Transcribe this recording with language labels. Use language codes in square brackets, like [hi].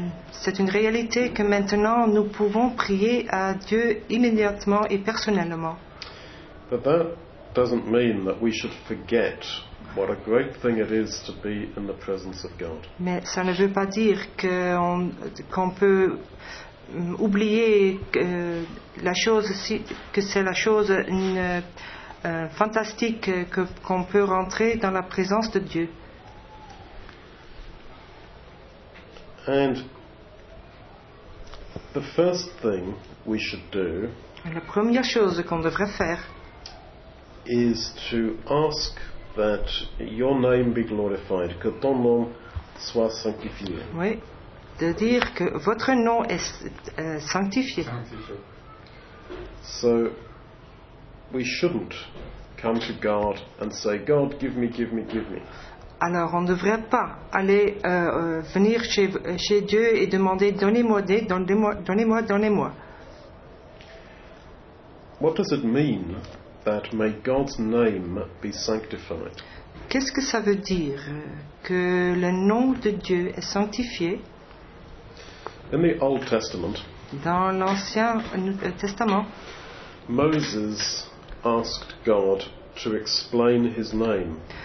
[fr] C'est une réalité que maintenant nous pouvons prier à Dieu immédiatement et personnellement. [en] But that doesn't mean that we should forget what a great thing it is to be in the presence of God. [fr] Mais ça ne veut pas dire qu'on peut oublier la chose que c'est la chose une fantastique qu'on peut rentrer dans la présence de Dieu. [en] And the first thing we should do. [fr] La première chose qu'on devrait faire [en] is to ask that your name be glorified, [fr] que ton nom soit sanctifié. Oui, de dire que votre nom est sanctifié. [en] So we shouldn't come to God and say, God, give me, give me, give me. [fr] Alors, on ne devrait pas aller venir chez Dieu et demander, donnez-moi. [en] What does it mean that may God's name be sanctified? [fr] Qu'est-ce que ça veut dire que le nom de Dieu est sanctifié? [en] In the Old Testament, [fr] dans l'Ancien Testament, [en] Moses asked God to explain his name.